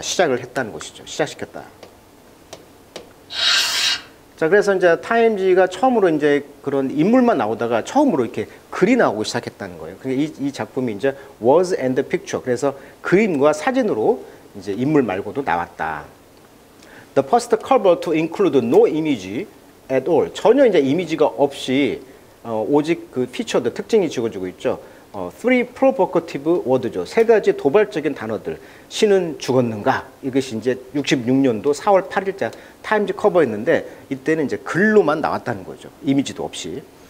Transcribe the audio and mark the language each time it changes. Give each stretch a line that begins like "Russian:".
Korean: 시작을 했다는 것이죠. 시작시켰다. 자, 그래서 이제 타임즈가 처음으로 이제 그런 인물만 나오다가 처음으로 이렇게 글이 나오고 시작했다는 거예요. 그러니까 이 작품이 이제
English: words and picture.
Korean: 그래서 그림과 사진으로 이제 인물 말고도 나왔다.
English: The first cover to include no image at all.
Korean: 전혀 이제 이미지가 없이 오직 그 피처드 특징이 지워지고 있죠.
English: Three provocative words죠.
Korean: 세 가지 도발적인 단어들. 신은 죽었는가? 이것이 이제 66년도 4월 8일자 타임즈 커버였는데 이때는 이제 글로만 나왔다는 거죠. 이미지도 없이.